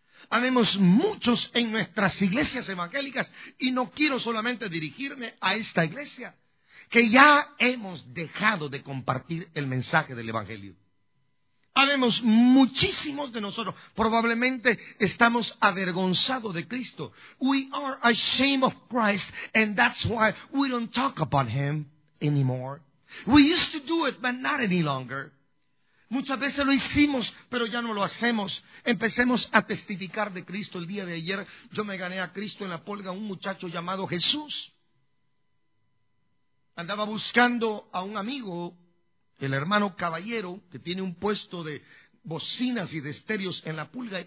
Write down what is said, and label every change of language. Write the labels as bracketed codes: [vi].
[es] Habemos muchos en nuestras iglesias evangélicas, y no quiero solamente dirigirme a esta iglesia, que ya hemos dejado de compartir el mensaje del Evangelio. Habemos muchísimos de nosotros, probablemente estamos avergonzados de Cristo. [en] We are ashamed of Christ, and that's why we don't talk about Him anymore. We used to do it, but not any longer. [es] Muchas veces lo hicimos, pero ya no lo hacemos. Empecemos a testificar de Cristo. El día de ayer yo me gané a Cristo en la pulga un muchacho llamado Jesús. Andaba buscando a un amigo, el hermano Caballero, que tiene un puesto de bocinas y de estéreos en la pulga.